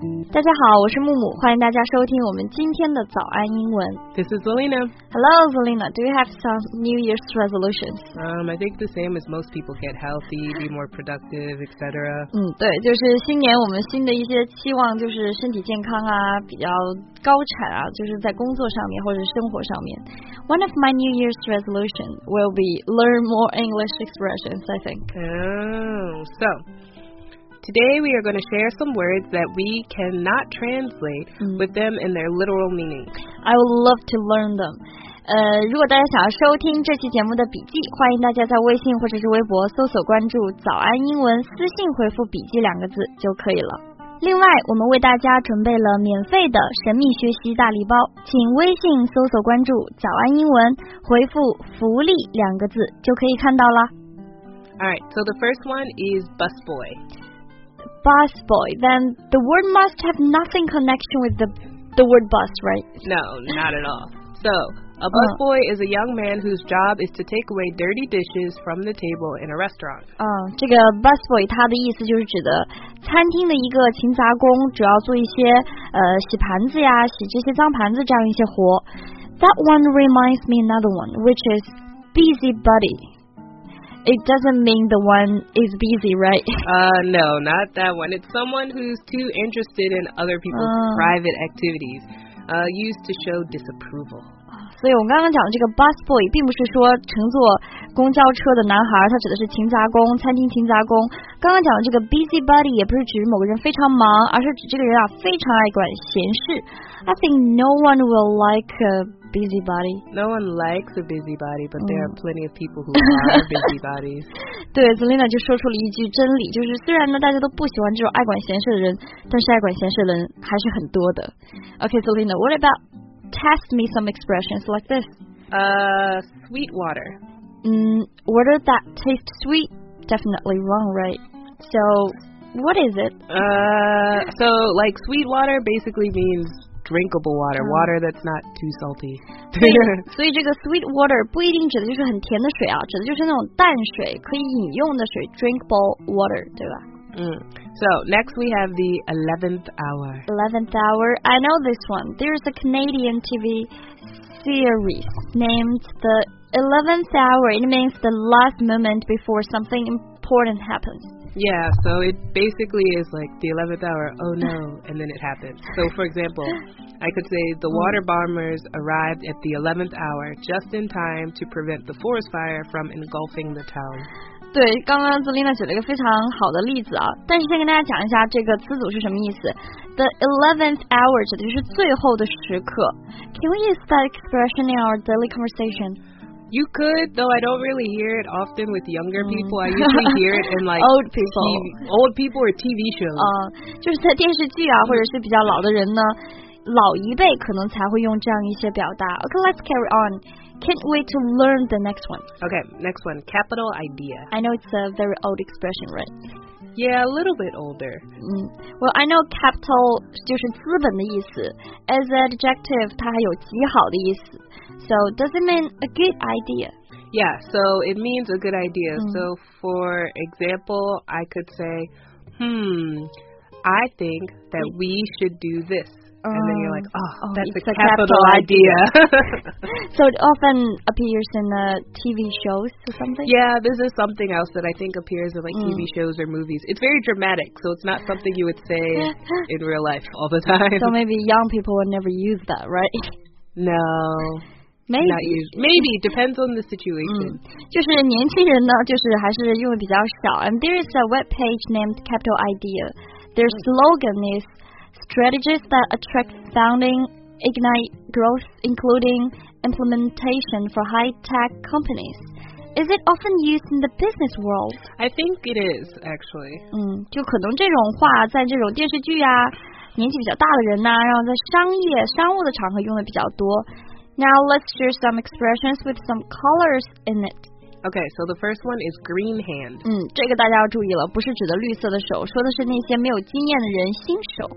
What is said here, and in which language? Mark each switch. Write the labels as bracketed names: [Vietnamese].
[Chinese] 大家好，我是木木，欢迎大家收听我们今天的早安英文。 [English] This is Zelina. Hello, Zelina. Do you have some New Year's resolutions? I think the same as most people: get healthy, be more productive, etc. [Chinese] 对，就是新年我们新的一些期望，就是身体健康啊，比较高产啊，就是在工作上面或者生活上面。 [English] One of my New Year's resolutions will be learn more English expressions, I think. Oh, so. Today we are going to share some words that we cannot translate with them in their literal meaning. I would love to learn them. [Chinese] 如果大家想要收听这期节目的笔记，欢迎大家在微信或者是微博搜索关注“早安英文”，私信回复“笔记”两个字就可以了。另外，我们为大家准备了免费的神秘学习大礼包，请微信搜索关注“早安英文”，回复“福利”两个字就可以看到了。 [English] All right, so the first one is busboy. Bus boy, then the word must have nothing connection with the word bus, right? No, not at all. So, a bus boy is a young man whose job is to take away dirty dishes from the table in a restaurant. [Chinese] 这个 bus boy 他的意思就是指的餐厅的一个勤杂工，主要做一些洗盘子呀，洗这些脏盘子这样一些活。 [English] That one reminds me another one, which is busy buddy. It doesn't mean the one is busy, right? No, not that one. It's someone who's too interested in other people's private activities, used to show disapproval. [Chinese] 所以我刚刚讲的这个 bus boy 并不是说乘坐公交车的男孩，他指的是勤杂工，餐厅勤杂工。刚刚讲的这个 busy buddy 也不是指某个人非常忙，而是指这个人啊非常爱管闲事。 [English] I think no one will like a busybody. No one likes a busybody, but there are plenty of people who are busybodies. [Chinese] 对 ，Zelina 就说出了一句真理，就是虽然呢大家都不喜欢这种爱管闲事的人，但是爱管闲事的人还是很多的。 [English] Okay, Zelina, what about test me some expressions like this? Sweet water. Water that tastes sweet, definitely wrong, right? So, what is it? So like sweet water basically means. Drinkable water, water that's not too salty. [Chinese] 所以这个 sweet water 不一定指的就是很甜的水啊，指的就是那种淡水，可以饮用的水 ， [English] drinkable water， [Chinese] 对吧？ [English] So next we have the 11th hour. 11th hour, I know this one. There's a Canadian TV series named the 11th hour. It means the last moment before something important happens. Yeah, so it basically is like the 11th hour, oh no, and then it happens. So, for example, I could say the water bombers arrived at the 11th hour just in time to prevent the forest fire from engulfing the town. [Chinese] 对，刚刚 Zelina 写了一个非常好的例子啊，但是先跟大家讲一下这个词组是什么意思。 The 11th hour 指的是最后的时刻。 [English] Can we use that expression in our daily conversation? You could, though I don't really hear it often with younger people. I usually hear it in like old people, old people or TV shows. [Chinese] 就是在电视剧啊，或者是比较老的人呢，老一辈可能才会用这样一些表达。 [English] Okay, let's carry on. Can't wait to learn the next one. Okay, next one. Capital idea. I know it's a very old expression, right? Yeah, a little bit older. Well, I know capital [Chinese] 就是资本的意思。 [English] As an adjective, [Chinese] 它还有极好的意思。 [English] So, does it mean a good idea? Yeah, so it means a good idea. So, for example, I could say, I think that we should do this. And then you're like, that's a capital idea. So, it often appears in TV shows or something? Yeah, this is something else that I think appears in like TV shows or movies. It's very dramatic, so it's not something you would say in real life all the time. So, maybe young people would never use that, right? No. Maybe. Maybe, depends on the situation. [Chinese] 就是年轻人呢，就是还是用的比较少。 [English] And there is a webpage named Capital Idea. Their slogan is strategies that attract founding, ignite growth, including implementation for high-tech companies. Is it often used in the business world? I think it is, actually. [Chinese] 就可能这种话在这种电视剧啊，年纪比较大的人啊，然后在商业、商务的场合用的比较多。 [English] Now let's share some expressions with some colors in it. Okay, so the first one is green hand. [Chinese] 这个大家要注意了，不是指的绿色的手，说的是那些没有经验的人，新手。